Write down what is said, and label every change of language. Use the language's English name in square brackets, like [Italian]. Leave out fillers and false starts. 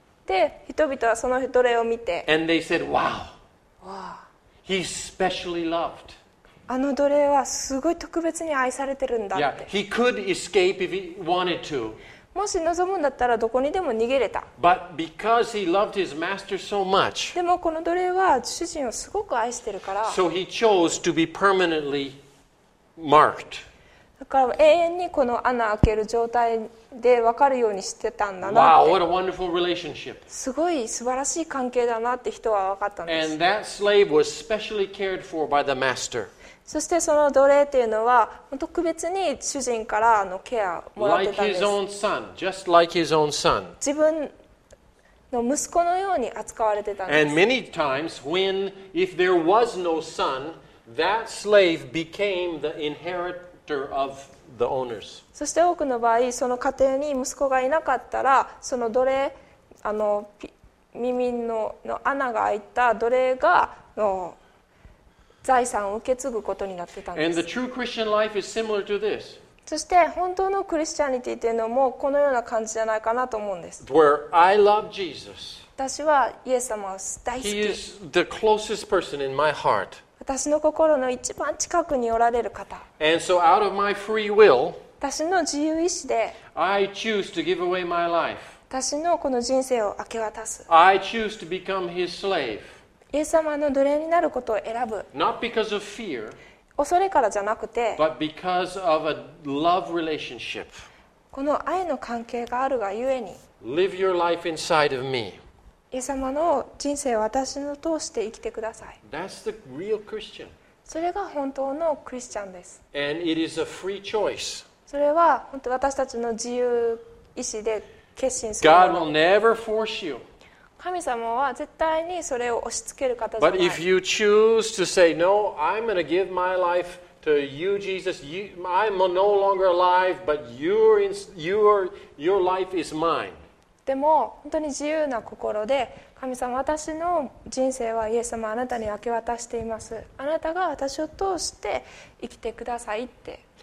[Japanese] で人々はその奴隷を見て [English] And they said, wow, he's specially loved. [Japanese] あの奴隷はすごい特別に愛されてるんだって。 [English] Yeah, he could escape if he wanted to. [Japanese] もし望むんだったらどこにでも逃げれた。 [English] But because he loved his master so much, [Japanese] でもこの奴隷は主人をすごく愛してるから [English] So he chose to be permanently marked. [Japanese] だから永遠にこの穴開ける状態で分かるようにしてたんだなって。 [English] Wow, what a wonderful relationship. [Japanese] すごい素晴らしい関係だなって人は分かったんです。 [English] And that slave was specially cared for by the master. [Japanese] そしてその奴隷っていうのは特別に主人からのケアをもらってたんです。 [English] Like his own son, just like his own son. [Japanese] 自分の息子のように扱われてたんです。 [English] And many times when if there was no son, that slave became the inherit. Of the owners. [Japanese] そして多くの場合その家庭に息子がいなかったらその奴隷あの耳 の穴が開いた奴隷がの財産を受け継ぐことになってたんです。 [English] And the true Christian life is similar to this. [Japanese] そして本当のクリスチャニティというのもこのような感じじゃないかなと思うんです。 [English] Where I love Jesus. [Japanese] 私はイエス様を大好き。 [English] He is the closest person in my heart. [Japanese] 私の心の一番近くにおられる方。 [English] And so out of my free will, [Japanese] 私の自由意志で、 [English] I choose to give away my life. [Japanese] 私のこの人生を明け渡す。 [English] I choose to become his slave. [Japanese] イエス様の奴隷になることを選ぶ。 [English] Not because of fear, [Japanese] 恐れからじゃなくて、 [English] but because of a love relationship. [Japanese] この愛の関係があるがゆえに、 [English] live your life inside of me. [Japanese] イエス様の人生を私の通して生きてください。 [English] That's the real Christian. [Japanese] それが本当のクリスチャンです。 [English] And it is a free choice. [Japanese] それは本当私たちの自由意志で決心する。 [English] God will never force you. [Japanese] 神様は絶対にそれを押し付ける方じゃない。 [English] But if you choose to say, No, I'm going to give my life to you, Jesus. I'm no longer alive, but your life is mine. [Japanese] でも本当に自由な心で神様私の人生はイエス様あなたに明け渡していますあなたが私を通して生きてくださいって